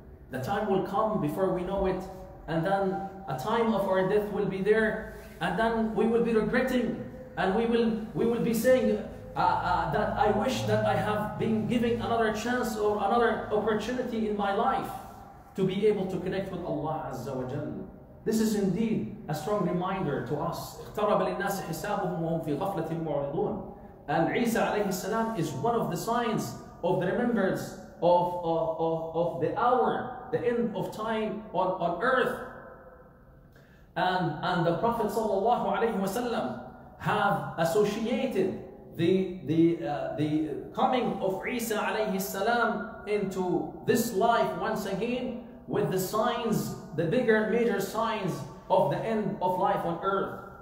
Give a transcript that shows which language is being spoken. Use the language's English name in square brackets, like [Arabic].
[English] the time will come before we know it, and then a time of our death will be there, and then we will be regretting, and we will be saying that I wish that I have been given another chance or another opportunity in my life to be able to connect with Allah Azza wa Jalla. This is indeed a strong reminder to us. [Arabic] اقترب للناس حسابهم وهم في غفلة معرضون. [English] And Isa alayhi salam is one of the signs of the remembrance of the hour, the end of time on earth. And the Prophet sallallahu alayhi wa sallam have associated the coming of Isa alayhi salam into this life once again with the signs, the bigger major signs of the end of life on earth.